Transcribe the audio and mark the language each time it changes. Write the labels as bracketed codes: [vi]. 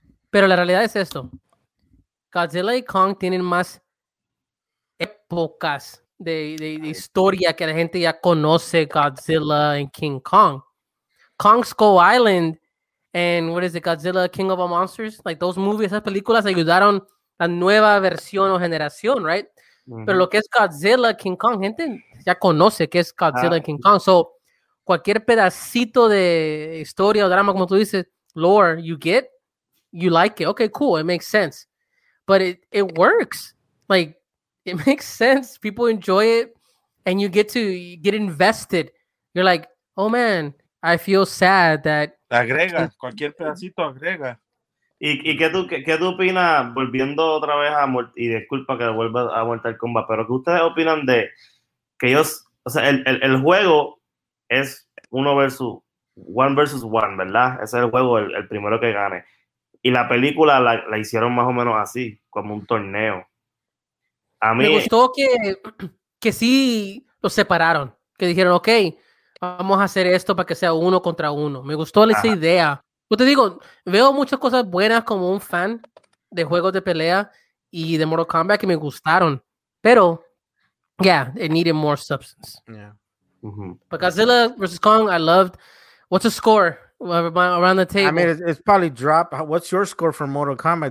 [es] Pero la realidad es esto. Godzilla y Kong tienen más épocas de historia que la gente ya conoce Godzilla and King Kong. [en] Kong Skull Island and what is it, Godzilla King of All Monsters? Like those movies, [es] esas películas ayudaron la nueva versión o generación, [en] right? [es] Mm-hmm. Pero lo que es Godzilla, King Kong, gente ya conoce que es Godzilla y King Kong. So, cualquier pedacito de historia o drama, como tú dices, lore, [en] you get, you like it. Okay, cool, it makes sense. But it works. Like, it makes sense. People enjoy it and you get to get invested. You're like, oh man, I feel sad that... [es] Agrega, cualquier pedacito agrega. ¿Y qué tú opinas, volviendo otra vez a Mortal, y disculpa que vuelva a Mortal Kombat, pero qué ustedes opinan de que ellos, o sea, el juego es one versus one, ¿verdad? Ese es el juego, el primero que gane. Y la película la hicieron más o menos así, como un torneo. A mí, me gustó que sí los separaron, que dijeron, ok, vamos a hacer esto para que sea uno contra uno. Me gustó esa idea. Yo te digo, veo muchas cosas buenas como un fan de juegos de pelea y de Mortal Kombat que me gustaron, pero yeah, [en] it needed more substance. But Godzilla versus Kong, I loved. What's the score around the table? I mean, it's probably drop. What's your score for Mortal Kombat?